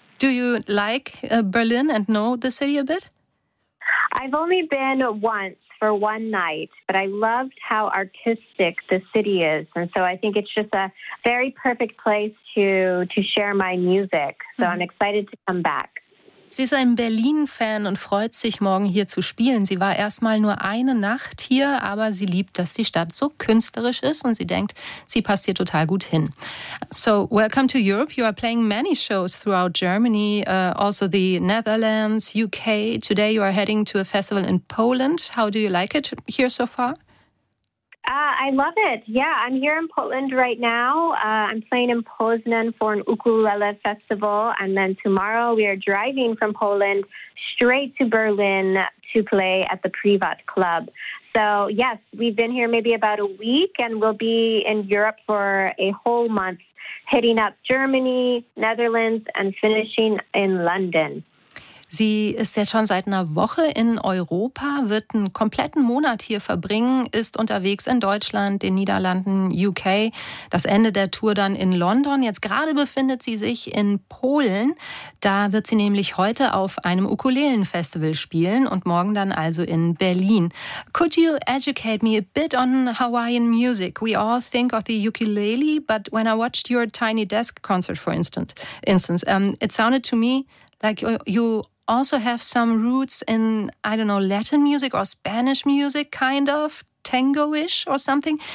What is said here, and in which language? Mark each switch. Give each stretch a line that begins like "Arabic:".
English: Do you like Berlin and know the city a bit? I've only been once for one night, but I loved how artistic the city is. And so I think it's just a very perfect place to share my music. So I'm excited to come back.
German: Sie ist ein Berlin-Fan und freut sich, morgen hier zu spielen. Sie war erstmal nur eine Nacht hier, aber sie liebt, dass die Stadt so künstlerisch ist und sie denkt, sie passt hier total gut hin.
English: So, welcome to Europe. You are playing many shows throughout Germany, also the Netherlands, UK. Today you are heading to a festival in Poland. How do you like it here so far? I love it. Yeah, I'm here in Poland right now. I'm playing in Poznan for an ukulele festival. And then tomorrow we are driving from Poland straight to Berlin to play at the Privat Club. So yes, we've been here maybe about a week and we'll be in Europe for a whole month, hitting up Germany, Netherlands and finishing in London.
German: Sie ist jetzt schon seit einer Woche in Europa, wird einen kompletten Monat hier verbringen, ist unterwegs in Deutschland, den Niederlanden, UK, das Ende der Tour dann in London. Jetzt gerade befindet sie sich in Polen. Da wird sie nämlich heute auf einem Ukulelenfestival spielen und morgen dann also in Berlin.
English: Could you educate me a bit on Hawaiian music? We all think of the ukulele, but when I watched your Tiny Desk concert, for instance, it sounded to me like you also have some roots in, I don't know, Latin music or Spanish music, kind of tango-ish or something.